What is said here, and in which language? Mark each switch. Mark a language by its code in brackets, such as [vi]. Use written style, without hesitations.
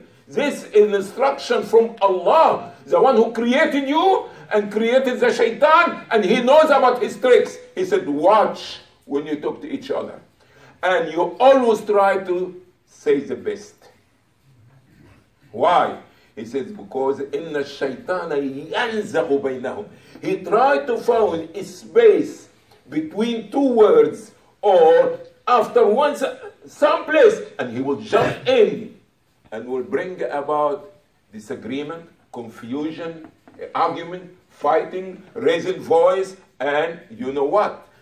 [en] This is an instruction from Allah, the one who created you and created the shaitan, and he knows about his tricks. He said, watch when you talk to each other. And you always try to say the best. Why? He says, because [ar] إِنَّ الشَّيْطَانَ يَنْزَغُ بَيْنَهُمْ. [en] He tried to find a space between two words or after once some place, and he will jump in and will bring about disagreement, confusion, argument, fighting, raising voice, and you know what?